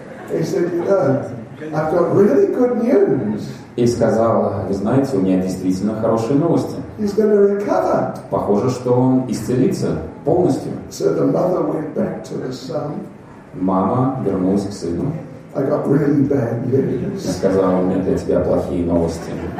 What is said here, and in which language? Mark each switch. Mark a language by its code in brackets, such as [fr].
[en] He said, "You know, I've got really good news." [ru] И сказал: "Вы знаете, у меня действительно хорошие новости." [en] He's going to recover. [ru] Похоже, что он исцелится полностью. [en] So the mother went back to the son. [ru] Мама вернулась к сыну. [en] I got really bad news. [ru] Я сказал: "У меня для тебя плохие новости."